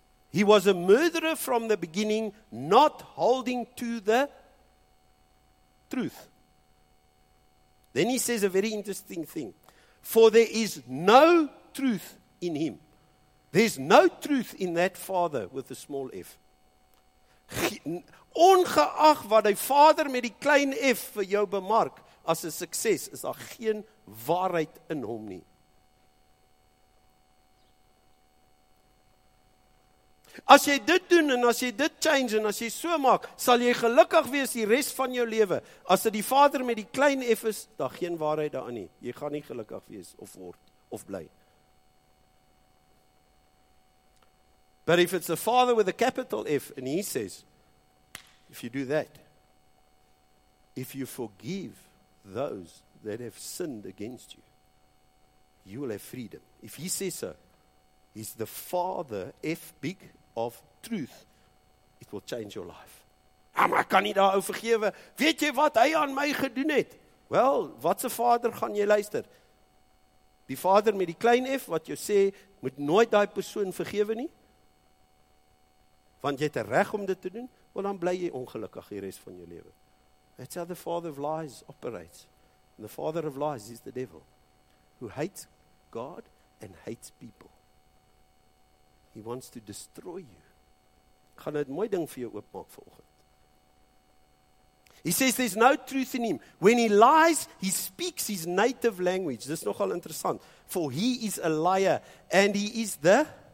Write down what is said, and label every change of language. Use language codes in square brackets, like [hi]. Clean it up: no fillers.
[en] He was a murderer from the beginning, not holding to the truth. Then he says a very interesting thing. For there is no truth in him. There's no truth in that father with a small f. [af] Ongeag wat die vader met die klein f vir jou bemark, as 'n sukses, is daar geen waarheid in hom nie. As jy dit doen en as jy dit change en as jy so maak, sal jy gelukkig wees die res van jou lewe. As dit die vader met die klein f is, daar geen waarheid daarin nie. Jy gaan nie gelukkig wees of word of bly. [en] But if it's a father with a capital F, and he says, if you do that, if you forgive those that have sinned against you, you will have freedom. If he says so, he's the father, F big, of truth, it will change your life. [af] Ah, maar kan nie daarou vergewe. Weet jy wat hy aan my gedoen het? Well, watse vader gaan jy luister? Die vader met die klein F, wat jy sê, moet nooit daai persoon vergewe nie? Want jy het reg om dit te doen, want dan bly jy ongelukkig die res van jou lewe. [en] That's how the father of lies operates. And the father of lies is the devil, who hates God and hates people. He wants to destroy you. [af] Ek gaan 'n mooi ding vir jou oopmaak vanoggend. [en] He says there's no truth in him. When he lies, he speaks his native language. [af] Dis nogal interessant. [en] For he is a liar and he is the...